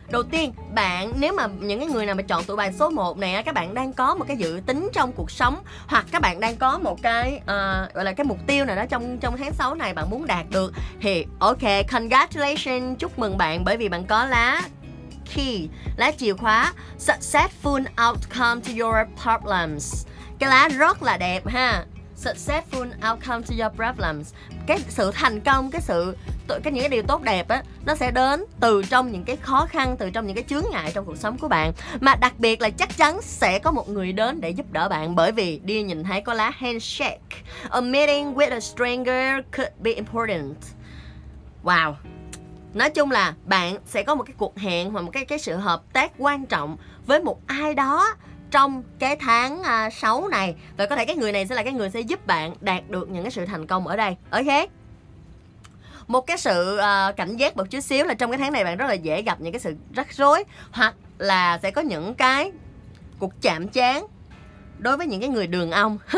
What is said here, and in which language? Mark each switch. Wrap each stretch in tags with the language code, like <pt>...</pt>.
<vi>Đầu tiên bạn, nếu mà những cái người nào mà chọn tụ bài số 1 này, các bạn đang có một cái dự tính trong cuộc sống, hoặc các bạn đang có một cái gọi là cái mục tiêu nào đó trong tháng 6 này bạn muốn đạt được, thì ok, congratulations, chúc mừng bạn, bởi vì bạn có lá key, lá chìa khóa</vi> <en>successful outcome to your problems.</en> <vi>Cái lá rất là đẹp ha.</vi> <en>Successful outcome to your problems.</en> <vi>Cái sự thành công, cái những cái điều tốt đẹp á, nó sẽ đến từ trong những cái khó khăn, từ trong những cái chướng ngại trong cuộc sống của bạn. Mà đặc biệt là chắc chắn sẽ có một người đến để giúp đỡ bạn, bởi vì đi nhìn thấy có lá handshake.</vi> <en>A meeting with a stranger could be important. Wow.</en> <vi>Nói chung là bạn sẽ có một cái cuộc hẹn hoặc một cái sự hợp tác quan trọng với một ai đó trong cái tháng 6 này, và có thể cái người này sẽ là cái người sẽ giúp bạn đạt được những cái sự thành công ở đây. Ok, một cái sự cảnh giác một chút xíu là trong cái tháng này bạn rất là dễ gặp những cái sự rắc rối, hoặc là sẽ có những cái cuộc chạm trán đối với những cái người đường ông.</vi>